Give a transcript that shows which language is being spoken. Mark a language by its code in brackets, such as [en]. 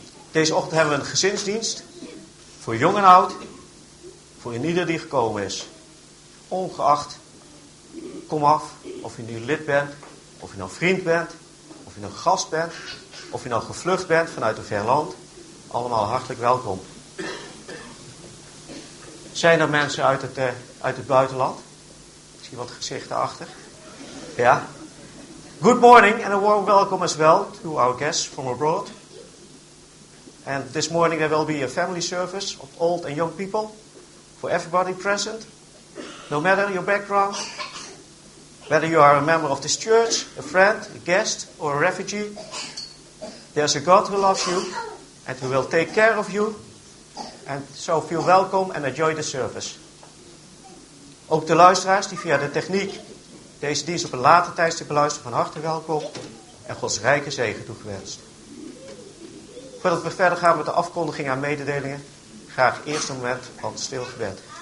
[nl] Deze ochtend hebben we een gezinsdienst voor jong en oud, voor ieder die gekomen is, ongeacht, komaf, of je nu lid bent, of je nou vriend bent, of je nou gast bent, of je nou gevlucht bent vanuit een ver land, allemaal hartelijk welkom. Zijn er mensen uit het buitenland? Ik zie wat gezichten achter. Ja. [en] Good morning and a warm welcome as well to our guests from abroad. And this morning there will be a family service of old and young people. For everybody present, no matter your background, whether you are a member of this church, a friend, a guest, or a refugee, there's a God who loves you and who will take care of you. And so feel welcome and enjoy the service. [nl] Ook de luisteraars die via de techniek deze dienst op een later tijdstip beluisteren, van harte welkom en Gods rijke zegen toegewenst. Voordat we verder gaan met de afkondiging aan mededelingen, graag eerst een moment van stil gebed.